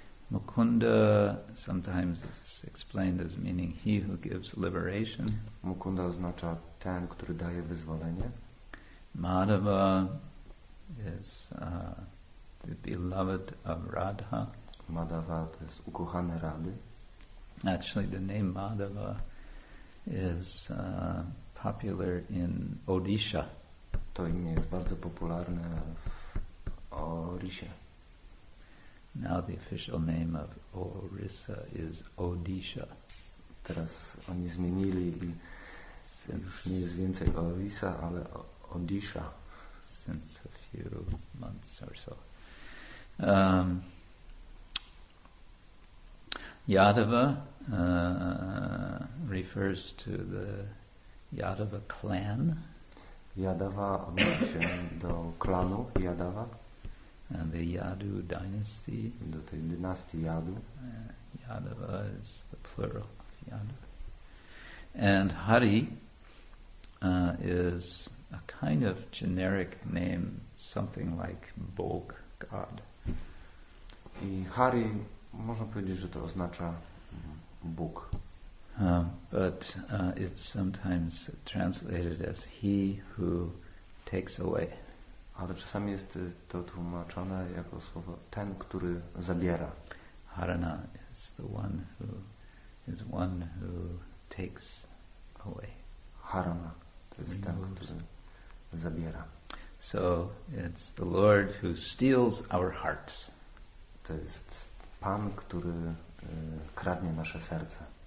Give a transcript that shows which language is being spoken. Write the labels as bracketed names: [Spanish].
[English] Mukunda sometimes is explained as meaning he who gives liberation. [Polish] Mukunda oznacza ten, który daje wyzwolenie. [English] Madhava is the beloved of Radha. [Polish] Madhava to jest ukochany Rady. [English] Actually, the name Madhava is popular in Odisha. [Polish] To imię jest bardzo popularne w Orisie. [English] Now the official name of Orissa is Odisha. [Polish] Teraz oni zmienili i już nie jest więcej Orissa, ale Odisha. [English] Since a few months or so. Yadava refers to the Yadava clan. [Polish] Yadava odnosi się do klanu Yadava. [English] And the Yadu dynasty. [Polish] Do tej dynastii Yadu. [English] Yadava is the plural of Yadu. And Hari is a kind of generic name, something like Bog God. [Polish] I Hari, można powiedzieć, że to oznacza Bóg. [English] But it's sometimes translated as he who takes away. [Polish] Ale czasami jest to tłumaczone jako słowo ten, który zabiera. [English] Harana is the one who is one who takes away. [Polish] Harana to jest ten, który zabiera. [English] So it's the Lord who steals our hearts. [Polish] To jest Pan, który kradnie nasze serce.